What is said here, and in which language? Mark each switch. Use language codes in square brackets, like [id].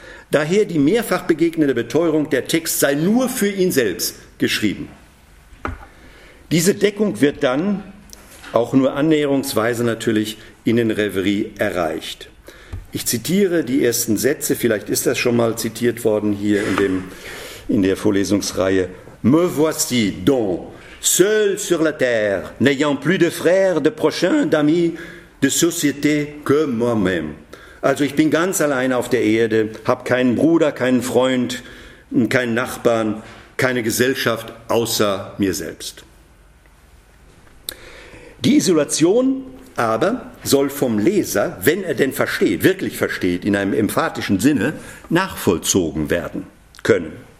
[de] Daher die mehrfach begegnete Beteuerung, der Text sei nur für ihn selbst geschrieben. Diese Deckung wird dann auch nur annäherungsweise natürlich in den Reverie erreicht. Ich zitiere die ersten Sätze, vielleicht ist das schon mal zitiert worden hier in der Vorlesungsreihe. [fr] Me voici donc, seul sur la terre, n'ayant plus de frères, de prochains, d'amis, de société que moi-même. [de] Also ich bin ganz allein auf der Erde, habe keinen Bruder, keinen Freund, keinen Nachbarn, keine Gesellschaft außer mir selbst. Die Isolation aber soll vom Leser, wenn er denn versteht, wirklich versteht, in einem emphatischen Sinne, nachvollzogen werden können.